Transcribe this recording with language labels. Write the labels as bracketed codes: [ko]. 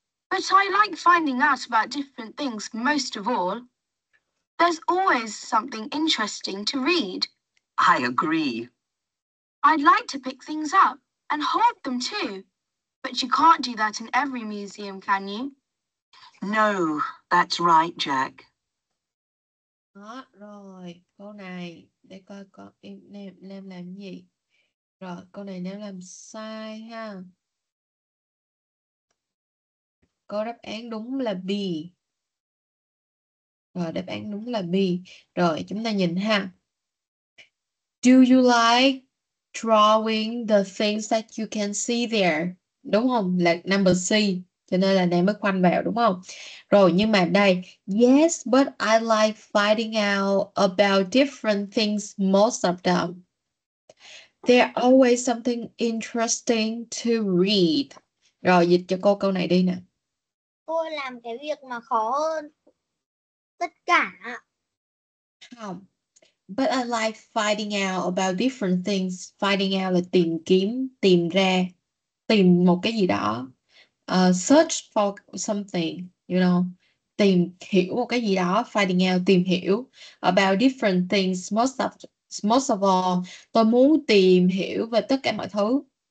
[en] But I like finding out about different things most of all. There's always something interesting to read. I agree. I'd like to pick things up and hold them too. But you can't do that in every museum, can you? No, that's right, Jack. [vi] Đó, rồi, câu này, để coi coi Nam làm gì. Rồi, câu này Nam làm sai ha. Có đáp án đúng là B. Rồi, đáp án đúng là B. Rồi, chúng ta nhìn ha. [en] Do you like drawing the things that you can see there? [vi] Đúng không? Là number C. Cho nên là Nam mới khoanh vào, đúng không? Rồi, nhưng mà đây. [en] Yes, but I like finding out about different things most of them. There's always something interesting to read. [vi] Rồi, dịch cho cô câu này đi nè. Cô làm cái việc mà khó hơn tất cả. Không. [en] But I like finding out about different things. Finding out [vi] là tìm kiếm, tìm ra, tìm một cái gì đó. [en] Search for something, you know. [vi] Tìm hiểu một cái gì đó. [en] Finding out, [vi] tìm hiểu. [en] About different things. Most of all, [vi] tôi muốn tìm hiểu về tất cả mọi thứ.